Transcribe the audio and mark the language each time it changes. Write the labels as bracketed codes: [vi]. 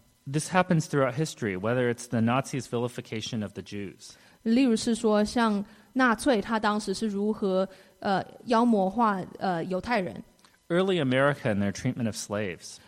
[en] This happens throughout history, whether it's the Nazis' vilification of the Jews. [zh] 例如是说像纳粹他当时是如何妖魔化犹太人。 [en] Early America and their treatment of slaves.